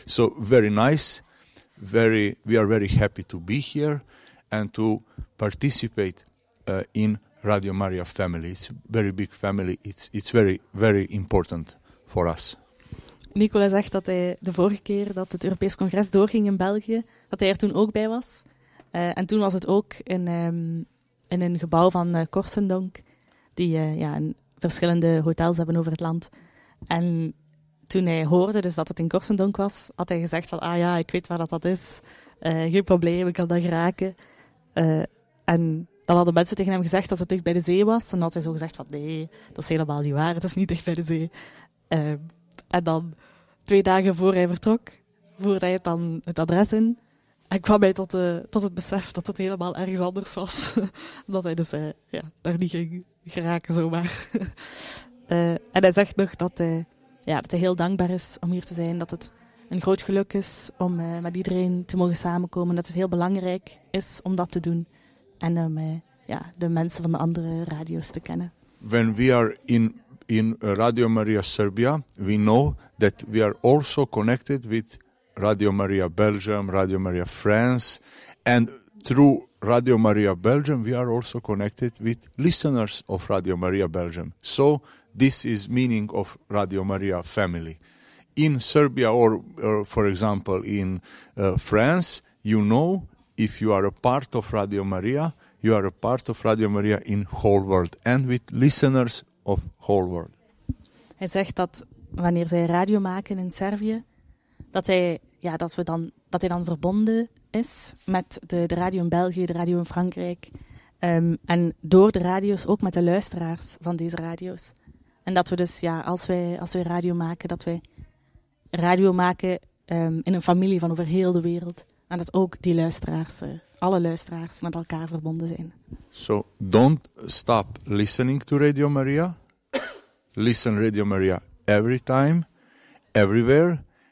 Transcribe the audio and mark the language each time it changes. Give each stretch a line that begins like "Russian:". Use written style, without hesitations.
English: So very nice, very, we are very happy to be here and to participate in Radio Maria family. It's a very big family, it's very, very important for us.
Dutch: Nicola zegt dat hij de vorige keer dat het Europees Congres doorging in België, dat hij er toen ook bij was, en toen was het ook in een gebouw van Korsendonk, die in verschillende hotels hebben over het land. En toen hij hoorde dus dat het in Korsendonk was, had hij gezegd van, ah ja, ik weet waar dat is. Geen probleem, ik kan dat geraken. En dan hadden mensen tegen hem gezegd dat het dicht bij de zee was. En dan had hij zo gezegd van, nee, dat is helemaal niet waar, het is niet dicht bij de zee. En dan 2 dagen voor hij vertrok, voerde hij het dan het adres in. En kwam hij tot het besef dat het helemaal ergens anders was. Dat hij dus daar niet ging geraken zomaar. En hij zegt nog dat hij heel dankbaar is om hier te zijn. Dat het een groot geluk is om met iedereen te mogen samenkomen. Dat het heel belangrijk is om dat te doen. En om de mensen van de andere radio's te kennen.
English: When we are in Radio Maria Serbia, we know that we are also connected with Radio Maria Belgium, Radio Maria France, and through Radio Maria Belgium, we are also connected with listeners of Radio Maria Belgium. So this is meaning of Radio Maria family. In Serbia or for example, in France, you know, if you are a part of Radio Maria, you are a part of Radio Maria in whole world and with listeners of whole world.
Dutch: Hij zegt dat wanneer zij radio maken in Servië, dat hij dan verbonden is met de radio in België, de radio in Frankrijk. En door de radio's ook met de luisteraars van deze radio's. En dat we dus, als wij radio maken, dat wij radio maken in een familie van over heel de wereld. En dat ook die luisteraars, alle luisteraars, met elkaar verbonden zijn.
English: So, don't stop listening to Radio Maria. Listen Radio Maria every time, everywhere.